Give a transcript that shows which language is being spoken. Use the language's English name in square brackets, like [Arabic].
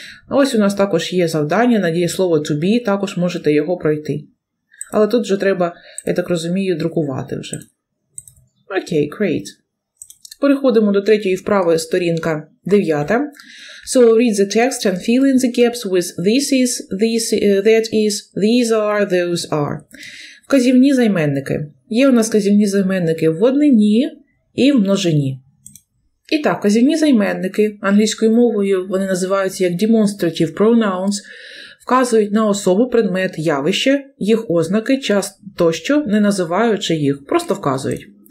[Ukrainian] Ось у нас також є завдання на дієслово to be, також можете його пройти. Але тут вже треба, я так розумію, друкувати вже. Окей, great. Переходимо до третьої вправи, сторінка 9. [English] So read the text and fill in the gaps with this is, this, that is, these are, those are. [Ukrainian] Вказівні займенники. Є у нас вказівні займенники в однині і в множині. І так, вказівні займенники, англійською мовою вони називаються як demonstrative pronouns, вказують на особу, предмет, явище, їх ознаки, час тощо, не називаючи їх, просто вказують.